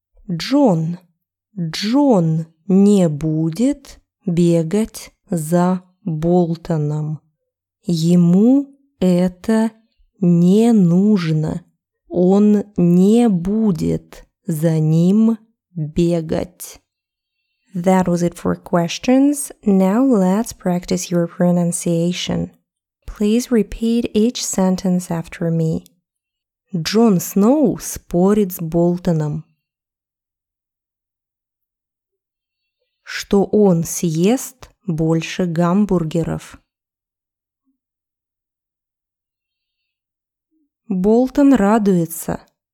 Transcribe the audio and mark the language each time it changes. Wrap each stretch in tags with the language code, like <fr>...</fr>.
<ru>Джон. Джон не будет бегать за Болтоном. Ему это не нужно. Он не будет за ним бегать.</ru> <en>That was it for questions. Now let's practice your pronunciation. Please repeat each sentence after me.</en> <ru>Джон Сноу спорит с Болтоном, что он съест больше гамбургеров. Болтон радуется.</ru>